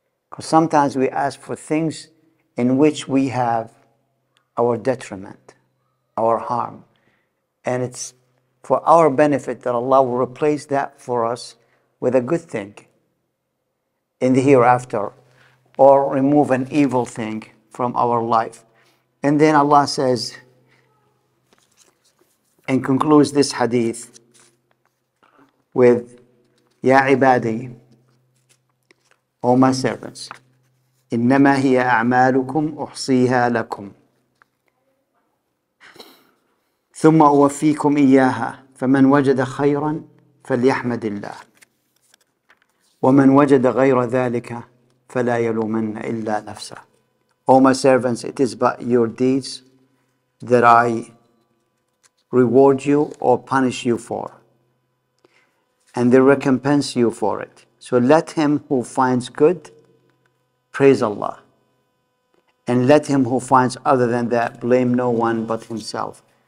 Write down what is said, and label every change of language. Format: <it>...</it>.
<en>Because sometimes we ask for things in which we have our detriment, our harm. And it's for our benefit that Allah will replace that for us with a good thing in the hereafter, or remove an evil thing from our life. And then Allah says, and concludes this hadith with,</en> <ar>يا عبادي,</ar> <en>O my servants,</en> <ar>إنما هي أعمالكم أحصيها لكم ثم أوفيكم إياها فمن وجد خيرا فليحمد الله وَمَنْ وَجَدَ غَيْرَ ذَٰلِكَ فَلَا يَلُومَنَّ إِلَّا نَفْسَهُ.</ar> <en>O my servants, it is by your deeds that I reward you or punish you for, and they recompense you for it. So let him who finds good praise Allah, and let him who finds other than that blame no one but himself.</en>